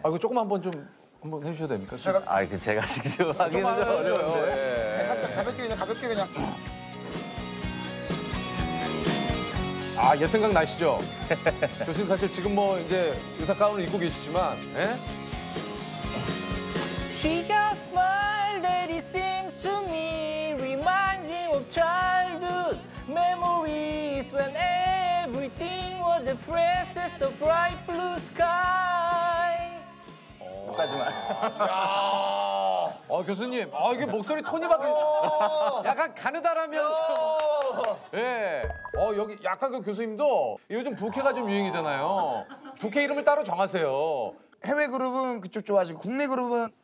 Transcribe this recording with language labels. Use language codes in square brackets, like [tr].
[ko] 아 이거 조금 한번 해주셔야 됩니까? 제가? 아 그 제가 직접 하기는 좀 어려워요. 예. 살짝 가볍게 그냥. 아, 옛 생각 나시죠? 교수님 사실 지금 뭐 이제 의사 가운을 입고 계시지만, 예? [en] She got smile that it seems to me reminds me of childhood memories when everything was the freshest of bright blue sky. [ko] 하지만. 교수님, 이게 목소리 톤이 바뀌어. 약간 가느다라면서. 예. 여기 약간 그 교수님도 요즘 부캐가 좀 유행이잖아요. 부캐 이름을 따로 정하세요. 해외 그룹은 그쪽 좋아하시고 국내 그룹은